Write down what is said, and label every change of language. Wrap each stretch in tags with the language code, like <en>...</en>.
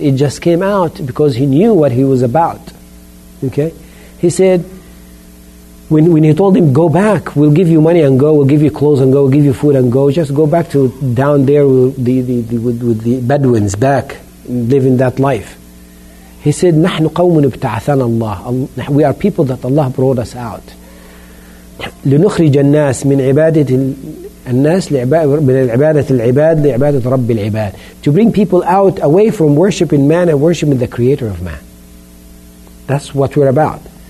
<en>It just came out because he knew what he was about. Okay? He said, when he told him, go back, we'll give you money and go, we'll give you clothes and go, we'll give you food and go, just go back to down there with the Bedouins back, living that life. He said,</en> <ar>نَحْنُ قَوْمٌ ابْتَعَثَنَا اللَّهُ.</ar> <en>We are people that Allah brought us out.</en> <ar>لِنُخْرِجَ النَّاسِ مِنْ عِبَادَةِ النَّاسِ مِنْ عِبَادَةِ الْعِبَادِ لِعِبَادَةِ رَبِّ الْعِبَادِ.</ar> <en>To bring people out away from worshiping man and worshiping the creator of man. That's what we're about.</en>